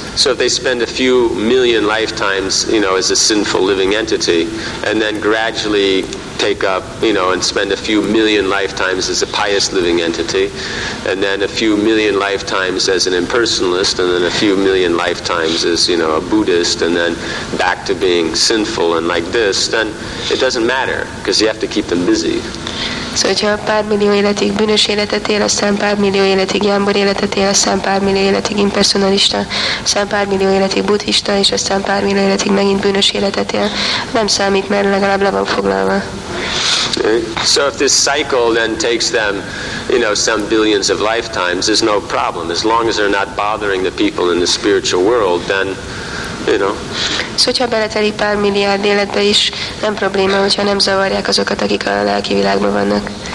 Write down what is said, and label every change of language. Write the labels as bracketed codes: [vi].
[en] So if they spend a few million lifetimes, you know, as a sinful living entity, and then gradually take up, you know, and spend a few million lifetimes as a pious living entity, and then a few million lifetimes as an impersonalist, and then a few million lifetimes as, you know, a Buddhist, and then back to being sinful and like this, then it doesn't matter, because you have to keep them busy. [hu] So, hogyha pár millió életig bűnös életet él, aztán pár millió életig jámbor életet él, aztán pár millió életig impersonalista, aztán pár millió életig buddhista, és aztán pár millió életig megint bűnös életet él, nem számít, mert legalább le van foglalva. [en] So if this cycle then takes them, you know, some billions of lifetimes, there's no problem. As long as they're not bothering the people in the spiritual world, then, you know. [hu] So, hogyha beletelik pár milliárd életbe is, nem probléma, hogyha nem zavarják azokat, akik a lelki világban vannak.